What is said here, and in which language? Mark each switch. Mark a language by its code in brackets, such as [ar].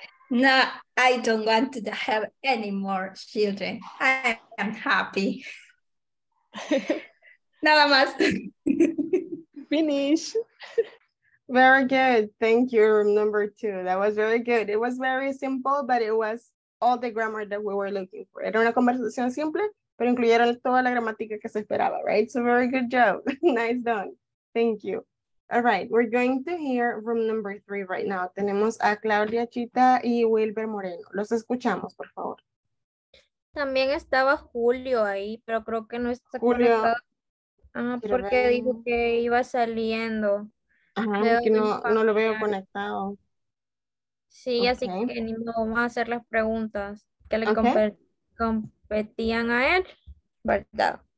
[en] No, I don't want to have any more children. I am happy. [es] Nada más. [en] Finish. Very good. Thank you, room number 2. That was very good. It was very simple, but it was all the grammar that we were looking for. [es] Era una conversación simple, pero incluyeron toda la gramática que se esperaba, [en] right? So very good job. Nice done. Thank you. All right, we're going to hear room number 3 right now. [es] Tenemos a Claudia Chita y Wilber Moreno. Los escuchamos, por favor. También estaba Julio ahí, pero creo que no está Julio. Conectado. Ah, porque ver. Dijo que iba saliendo. Ajá, es que no lo veo conectado. Sí, okay. Así que no vamos a hacer las preguntas que le competían a él, ¿verdad?